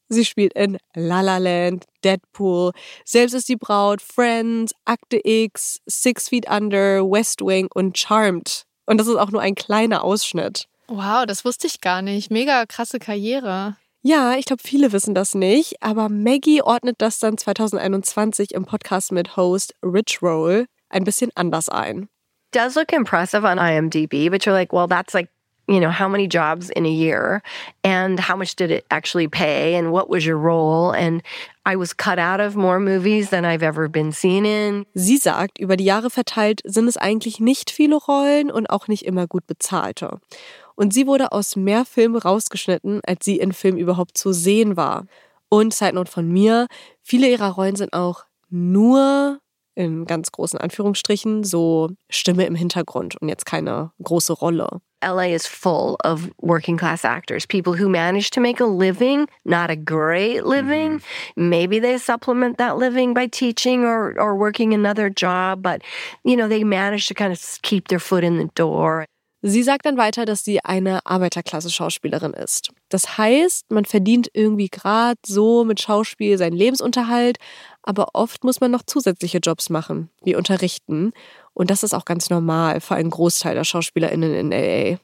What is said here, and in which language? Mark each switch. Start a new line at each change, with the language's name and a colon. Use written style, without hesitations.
German: Sie spielt in La La Land, Deadpool, selbst ist die Braut, Friends, Akte X, Six Feet Under, West Wing und Charmed. Und das ist auch nur ein kleiner Ausschnitt. Wow, das wusste ich gar nicht. Mega krasse Karriere. Ja, ich glaube, viele wissen das nicht, aber Maggie ordnet das dann 2021 im Podcast mit Host Rich Roll ein bisschen anders ein.
English: Does look impressive on IMDb, but you're like, well, that's like, you know, how many jobs in a year and how much did it actually pay and what was your role? And I was cut out of more movies than I've ever been seen in.
German: Sie sagt, über die Jahre verteilt sind es eigentlich nicht viele Rollen und auch nicht immer gut bezahlte. Und sie wurde aus mehr Filmen rausgeschnitten, als sie in Filmen überhaupt zu sehen war. Und Side Note von mir, viele ihrer Rollen sind auch nur in ganz großen Anführungsstrichen so Stimme im Hintergrund und jetzt keine große Rolle.
English: LA is full of working class actors, people who manage to make a living, not a great living. Maybe they supplement that living by teaching or working another job, but you know, they manage to kind of keep their foot in the door.
German: Sie sagt dann weiter, dass sie eine Arbeiterklasse-Schauspielerin ist. Das heißt, man verdient irgendwie gerade so mit Schauspiel seinen Lebensunterhalt, aber oft muss man noch zusätzliche Jobs machen, wie unterrichten. Und das ist auch ganz normal für einen Großteil der SchauspielerInnen in LA.